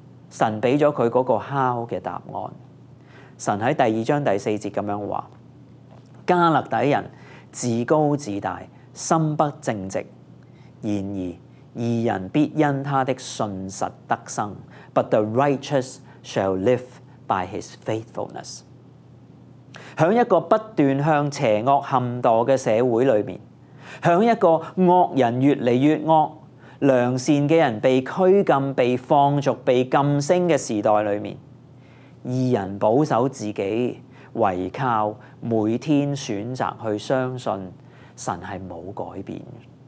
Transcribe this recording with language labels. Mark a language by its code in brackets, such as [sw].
[zh] 神给了他那个敲的答案。神在第二章第四节这样说，加勒底人自高自大，心不正直，然而义人必因他的信实得生。 [en] But the righteous shall live by his faithfulness。 [zh] 在一个不断向邪恶陷堕的社会里面，在一个恶人越来越恶，良善的人被拘禁、被放逐、被禁升的时代里面，义人保守自己，唯靠每天选择去相信神是没有改变的，